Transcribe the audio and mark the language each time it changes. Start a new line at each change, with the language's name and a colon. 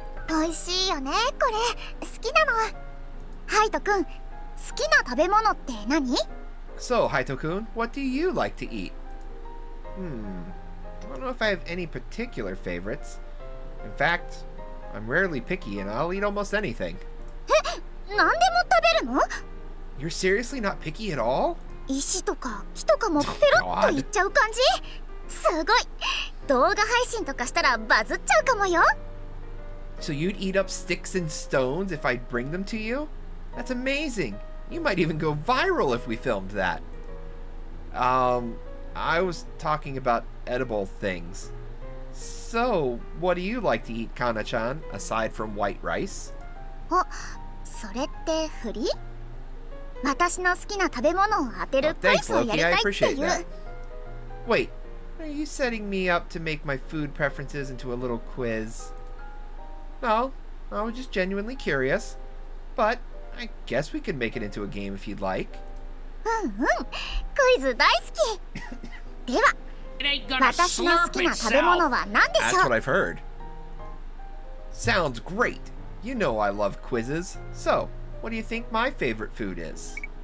Japanese: おいしいよね、これ。好きなの。Haito-kun, 好きな食べ物って何?
English: So, Haito-kun, what do you like to eat? I don't know if I have any particular favorites. In fact, I'm rarely picky and I'll eat almost anything.
Japanese: え、何でも食べるの?
English: You're seriously not picky at all?
Japanese: 石とか木とかもペロッといっちゃう感じ?すごい! 動画配信とかしたらバズっちゃうかもよ!
English: So you'd eat up sticks and stones if I'd bring them to you? That's amazing! You might even go viral if we filmed that! I was talking about edible things. So, what do you like to eat, Kana-chan, aside from white rice?
Japanese: それってフリ? 私の好きな食べ物を当てるクイズをやりたいっていう。
English: Thanks, Loki, I appreciate that. Wait, are you setting me up to make my food preferences into a little quiz? No, I was just genuinely curious. But I guess we could make it into a game if you'd like.
Japanese: クイズ大好き! では, 私の好きな食べ物は何でしょう?
English: That's what I've heard. Sounds great. You know I love quizzes. So, what do you think my favorite food is?